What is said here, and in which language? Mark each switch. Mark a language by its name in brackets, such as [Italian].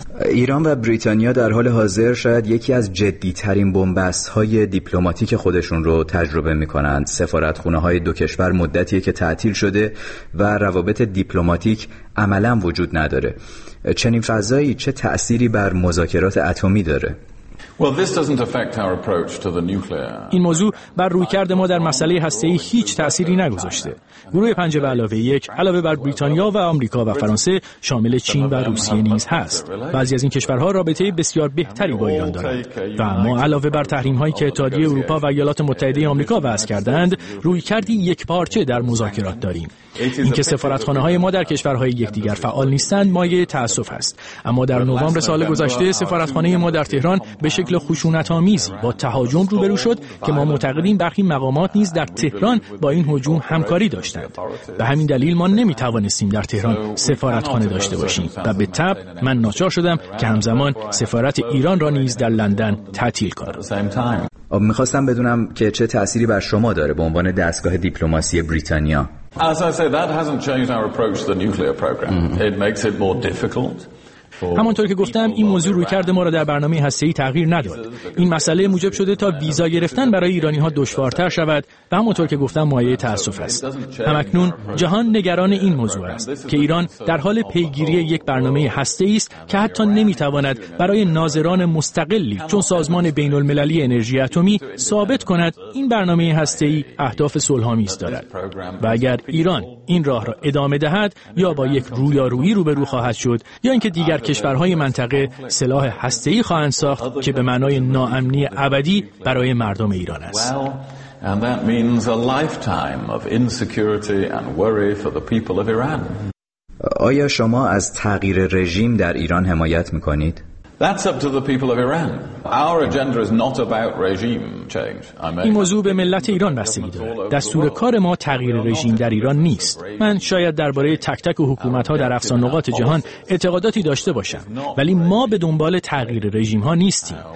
[Persian] ایران و بریتانیا در حال حاضر شاید یکی از جدی‌ترین بن‌بست‌های دیپلماتیک خودشون رو تجربه می‌کنند. سفارتخانه‌های دو کشور مدتیه که تعطیل شده و روابط دیپلماتیک عملاً وجود نداره. چنین فضایی چه تأثیری بر مذاکرات اتمی داره؟ [English] Well, this doesn't affect our approach to the nuclear. [Persian] این موضوع بر رویکرد ما در مسئله هسته‌ای هیچ تأثیری نگذاشته. گروه 5 به علاوه 1 علاوه بر بریتانیا و آمریکا و فرانسه شامل چین و روسیه نیز هست. بعضی از این کشورها رابطه بسیار بهتری با ایران دارند. و ما علاوه بر تحریم‌هایی که اتحادیه اروپا و ایالات متحده آمریکا وضع کردند، رویکردی یکپارچه در مذاکرات داریم. اینکه سفارتخانه‌های ما در کشورهای یکدیگر فعال نیستند مایه تأسف است. اما در نوامبر سال گذشته سفارتخانه ما در تهران به شکل خشونت‌آمیز با تهاجم روبرو شد که ما معتقدیم برخی مقامات نیز در تهران با این هجوم همکاری داشتند. به همین دلیل ما نمی‌توانستیم در تهران سفارتخانه داشته باشیم و به تبع من ناچار شدم که همزمان سفارت ایران را نیز در لندن تعطیل کنم. می‌خواستم بدونم که چه تأثیری بر شما داره به عنوان دستگاه دیپلماسی بریتانیا. [English] As I said, that hasn't changed our approach to the nuclear program. It makes it more difficult. [Persian] همانطور که گفتم این موضوع رویکرد ما را در برنامه هسته‌ای تغییر نداد. این مسئله موجب شده تا ویزا گرفتن برای ایرانی‌ها دشوارتر شود و همانطور که گفتم مایه تأسف است. هم‌اکنون جهان نگران این موضوع است که ایران در حال پیگیری یک برنامه هسته‌ای است که حتی نمی‌تواند برای ناظران مستقلی چون سازمان بین‌المللی انرژی اتمی ثابت کند این برنامه هسته‌ای اهداف صلح‌آمیز دارد. و اگر ایران این راه را ادامه دهد یا با یک رویارویی روبرو خواهد شد یا اینکه دیگر کشورهای منطقه سلاح هسته‌ای خواهند ساخت که به معنای ناامنی ابدی برای مردم ایران است. [English] And that means a lifetime of insecurity and worry for the people of Iran. [Persian] آیا شما از تغییر رژیم در ایران حمایت می‌کنید؟ [English] That's up to the people of Iran. Our agenda is not about regime change. [Persian] این موضوع به ملت ایران بستگی دارد. دستور کار ما تغییر رژیم در ایران نیست. من شاید درباره تک تک حکومت‌ها در افسان نقاط جهان اعتقاداتی داشته باشم، ولی ما به دنبال تغییر رژیم‌ها نیستیم.